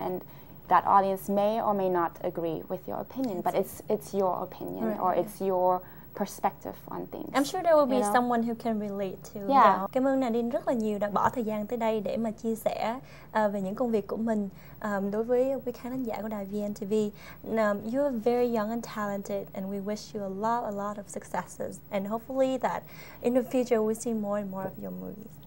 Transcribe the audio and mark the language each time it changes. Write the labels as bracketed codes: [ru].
[en] And that audience may or may not agree with your opinion, but it's your opinion right. or it's your perspective on things. I'm sure there will be someone who can relate to. Yeah. Yeah. [vi] Cảm ơn Nadine rất là nhiều đã bỏ thời gian tới đây để mà chia sẻ về những công việc của mình đối với quý khán thính giả của đài VNTV. [en] You are very young and talented, and we wish you a lot of successes, and hopefully that in the future we'll see more and more of your movies.